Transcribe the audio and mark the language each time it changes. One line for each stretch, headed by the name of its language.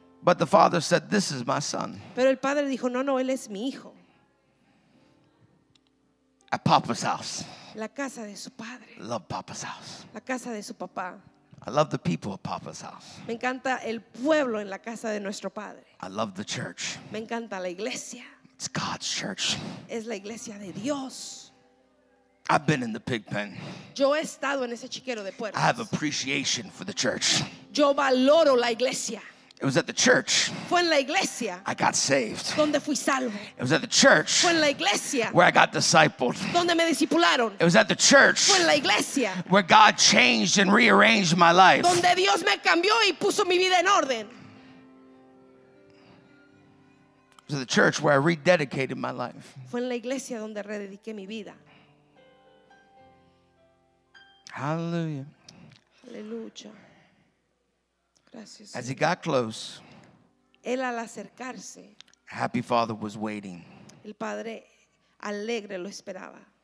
English: But the father said, this is my son.
Spanish: Pero el padre dijo, no, él es mi hijo.
English: At Papa's house.
Spanish: La casa de su padre.
English: Love Papa's house.
Spanish: La casa de su papá.
English: I love the people at Papa's house.
Spanish: Me encanta el pueblo en la casa de nuestro padre.
English: I love the church.
Spanish: Me encanta la iglesia.
English: It's God's church.
Spanish: Es la iglesia de Dios.
English: I've been in the pig pen.
Spanish: Yo he estado en ese chiquero de puertas.
English: I have appreciation for the church.
Spanish: Yo valoro la iglesia.
English: It was at the church.
Spanish: Fue en la iglesia.
English: I got saved.
Spanish: Donde fui salvo.
English: It was at the church.
Spanish: Fue en la iglesia.
English: Where I got discipled.
Spanish: Donde me discipularon.
English: It was at the church.
Spanish: Fue en la iglesia.
English: Where God changed and rearranged my life.
Spanish: Donde Dios me cambió y puso mi vida en orden.
English: It was at the church where I rededicated my life.
Spanish: Fue en la iglesia donde rededicé mi vida.
English: Hallelujah.
Spanish: Aleluya.
English: As he got close,
Spanish: él al acercarse,
English: happy father was waiting.
Spanish: El padre alegre lo esperaba.